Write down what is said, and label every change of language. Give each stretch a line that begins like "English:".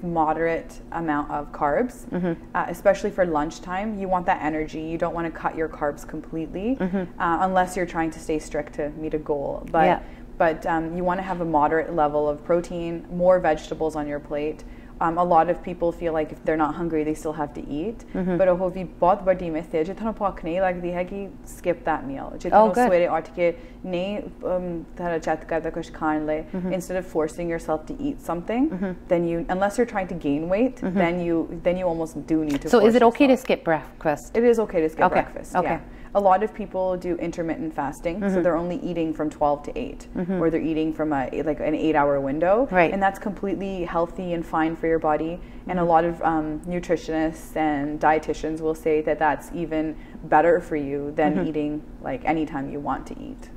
English: with moderate amount of carbs mm-hmm. Especially for lunchtime you want that energy you don't want to cut your carbs completely mm-hmm. Unless you're trying to stay strict to meet a goal but yeah. But you want to have a moderate level of protein, more vegetables on your plate. A lot of people feel like if they're not hungry, they still have to eat. Mm-hmm. But
Punjabi: ਹੋ ਵੀ ਬਹੁਤ ਵੱਡੀ ਮਿਥ ਹੈ ਜੇ ਤੁਹਾਨੂੰ ਭੁੱਖ ਨਹੀਂ ਲੱਗਦੀ ਹੈਗੀ
English: skip that meal
Punjabi: ਜੇ ਤੁਹਾਨੂੰ ਸਵੇਰੇ ਉੱਠ ਕੇ ਨਹੀਂ ਤੁਹਾਡਾ ਚੱਤ ਕਰਦਾ ਕੁਛ ਖਾਣ ਲਈ
English: Instead of forcing yourself to eat something then you unless you are trying to gain weight then you almost do need to so is it okay to skip breakfast it is okay to skip breakfast okay A lot of people do intermittent fasting, mm-hmm. so they're only eating from 12 to 8, mm-hmm. or they're eating from an 8-hour window, right. and that's completely healthy and fine for your body. And a lot of nutritionists and dietitians will say that that's even better for you than eating like anytime you want to eat.